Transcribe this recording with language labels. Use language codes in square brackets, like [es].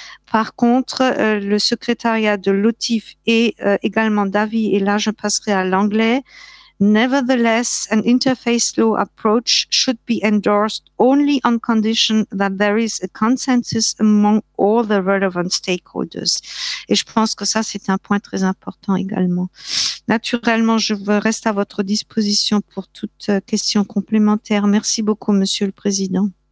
[fr] Par contre, le secrétariat de l'OTIF est également d'avis, et là je passerai à l'anglais. [en] Nevertheless, an interface law approach should be endorsed only on condition that there is a consensus among all the relevant stakeholders. [fr] Et je pense que ça, c'est un point très important également. Naturellement, je reste à votre disposition pour toute question complémentaire. Merci beaucoup, Monsieur le Président.